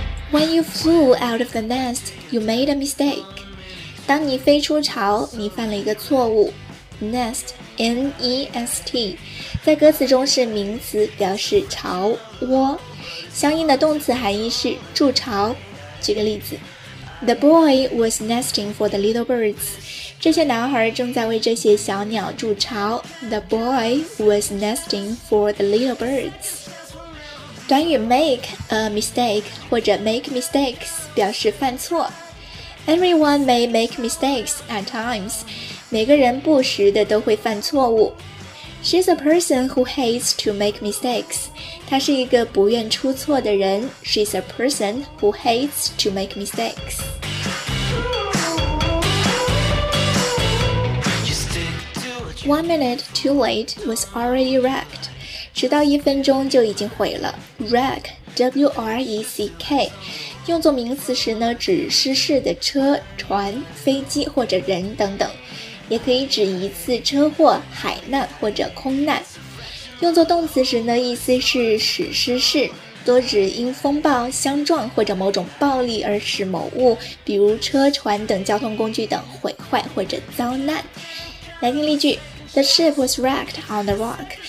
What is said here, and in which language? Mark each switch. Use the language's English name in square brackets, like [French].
[English] When you flew out of the nest, you made a mistake. [Chinese] 当你飞出巢，你犯了一个错误。Nest, N-E-S-T, 在歌词中是名词，表示巢、窝。相应的动词含义是筑巢。举个例子。 [English] The boy was nesting for the little birds. [Chinese] 这些男孩正在为这些小鸟筑巢。 [English] The boy was nesting for the little birds. [Chinese] 短语 make a mistake 或者 make mistakes 表示犯错。 [English] Everyone may make mistakes at times. [Chinese] 每个人不时的都会犯错误。 [English] She's a person who hates to make mistakes. [Chinese] 她是一个不愿出错的人。 [English] She's a person who hates to make mistakes. 1 minute too late was already wrecked. [Chinese] 迟到一分钟就已经毁了。 Wreck, W-R-E-C-K, 用作名词时呢，指失事的车、船、飞机或者人等等。也可以指一次车祸、海难或者空难。用作动词时呢，意思是使失事，多指因风暴、相撞或者某种暴力而使某物，比如车、船等交通工具等毁坏或者遭难。来听例句 [English] The ship was wrecked on the rock.